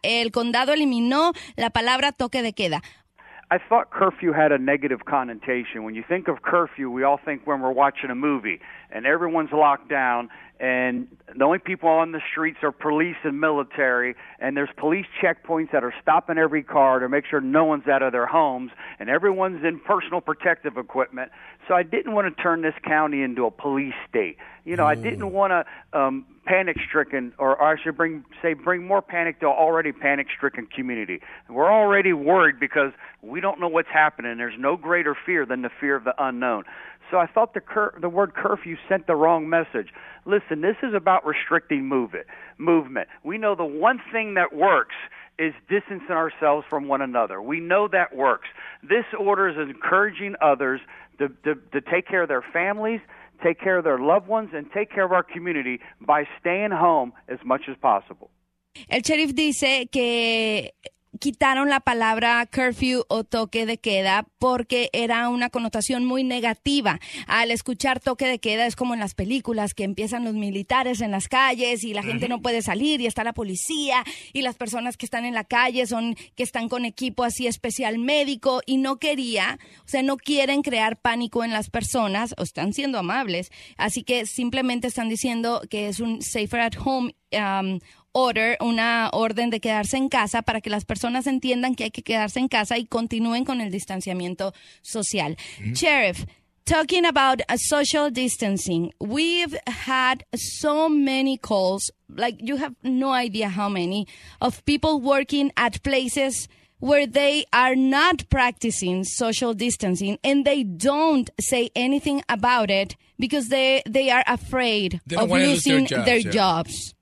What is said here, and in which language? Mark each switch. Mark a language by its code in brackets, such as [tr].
[es] El condado eliminó la palabra toque de queda. [en] I thought curfew had a negative connotation. When you think of curfew, we all think when we're watching a movie and everyone's locked down and the only people on the streets are police and military, and there's police checkpoints that are stopping every car to make sure no one's out of their homes, and everyone's in personal protective equipment. So I didn't want to turn this county into a police state. You know, I didn't want to panic-stricken, or I should bring more panic to an already panic-stricken community. We're already worried because we don't know what's happening. There's no greater fear than the fear of the unknown. So I thought the word curfew sent the wrong message. Listen, this is about restricting movement. We know the one thing that works is distancing ourselves from one another. We know that works. This order is encouraging others to take care of their families, take care of their loved ones, and take care of our community by staying home as much as possible. [es] El sheriff dice que quitaron la palabra curfew o toque de queda porque era una connotación muy negativa. Al escuchar toque de queda es como en las películas que empiezan los militares en las calles y la gente no puede salir y está la policía y las personas que están en la calle son que están con equipo así especial médico y no quieren crear pánico en las personas o están siendo amables. Así que simplemente están diciendo que es un safer at home order, una orden de quedarse en casa para que las personas entiendan que hay que quedarse en casa y continúen con el distanciamiento social. Mm-hmm. [en] Sheriff, talking about social distancing, we've had so many calls, like you have no idea how many, of people working at places where they are not practicing social distancing and they don't say anything about it because they are afraid of losing their jobs.